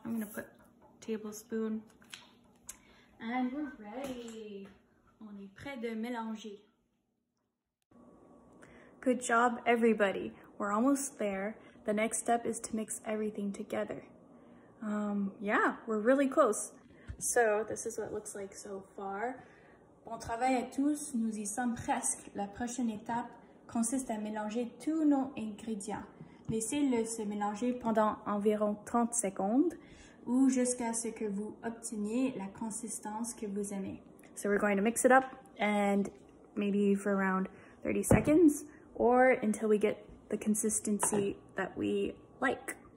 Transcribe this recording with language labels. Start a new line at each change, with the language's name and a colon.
English: I'm gonna put a tablespoon. And we're ready.
French: On est prêt de mélanger.
English: Good job, everybody. We're almost there. The next step is to mix everything together. Yeah, we're really close. So this is what it looks like so far.
French: Bon travail à tous, nous y sommes presque. La prochaine étape consiste à mélanger tous nos ingrédients. Laissez-le se mélanger pendant environ 30 secondes ou jusqu'à ce que vous obteniez la consistance que vous aimez.
English: So we're going to mix it up and maybe for around 30 seconds or until we get the consistency that we like.